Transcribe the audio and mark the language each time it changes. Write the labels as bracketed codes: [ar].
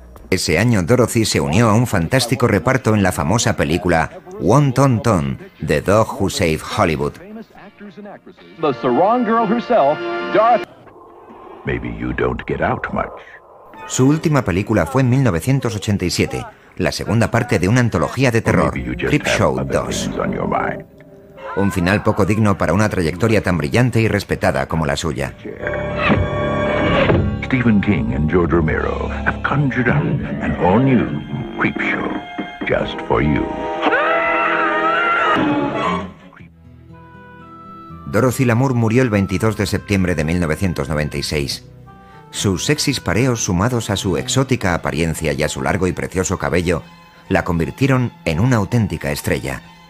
[es] Ese año Dorothy se unió a un fantástico reparto en la famosa película One Ton Ton, The Dog Who Saved Hollywood. [en] Maybe you don't get out much. [es] Su última película fue en 1987, la segunda parte de una antología de terror, Creepshow 2. Un final poco digno para una trayectoria tan brillante y respetada como la suya. [en] Stephen King and George Romero have conjured up an all-new Creepshow just for you. [es] Dorothy Lamour murió el 22 de septiembre de 1996. Sus sexys pareos sumados a su exótica apariencia y a su largo y precioso cabello la convirtieron en una auténtica estrella.